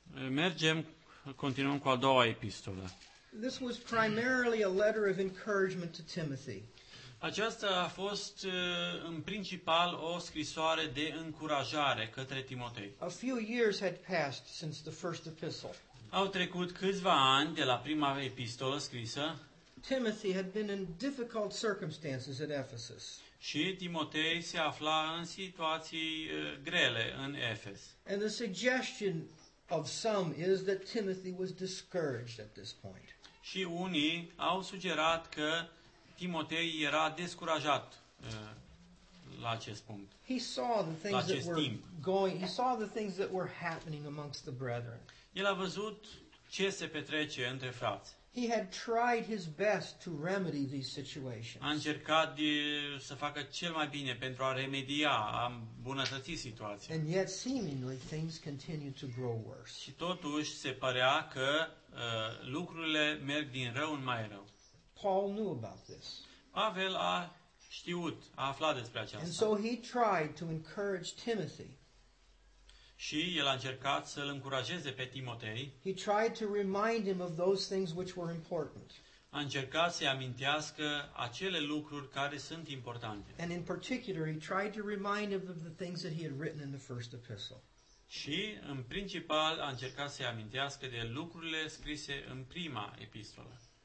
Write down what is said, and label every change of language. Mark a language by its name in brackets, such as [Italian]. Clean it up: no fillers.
[Romanian] Mergem, continuăm cu a doua epistolă. [English] This was primarily a letter of encouragement to Timothy. [Romanian] Aceasta a fost în principal o scrisoare de încurajare către Timotei. [English] A few years had passed since the first epistle. [Romanian] Au trecut câțiva ani de la prima epistolă scrisă. [English] Timothy had been in difficult circumstances at Ephesus. [Romanian] Și Timotei se afla în situații grele în Efes. [English] And the suggestion of some is that Timothy was discouraged at this point. [Romanian] Și unii au sugerat că Timotei era descurajat la acest punct. [English] He saw the things that were going, he saw the things that were happening amongst the brethren. [Romanian] El a văzut ce se petrece între frați. [English] He had tried his best to remedy these situations. [Romanian] A încercat să facă cel mai bine pentru a remedia, a îmbunătăți situația. [English] And yet seemingly things continued to grow worse. [Romanian] Și totuși se părea că lucrurile merg din rău în mai rău. [English] Paul knew about this. [Romanian] Pavel a știut, a aflat despre aceasta. [English] And so he tried to encourage Timothy. [Romanian] Și el a încercat să-l încurajeze pe Timotei. [English] He tried to remind him of those things which were important. [Romanian] A încercat să-i amintească acele lucruri care sunt importante. [English] And in particular, he tried to remind him of the things that he had written in the first epistle. [Romanian] Și în principal a încercat să-i amintească de lucrurile scrise în prima epistolă.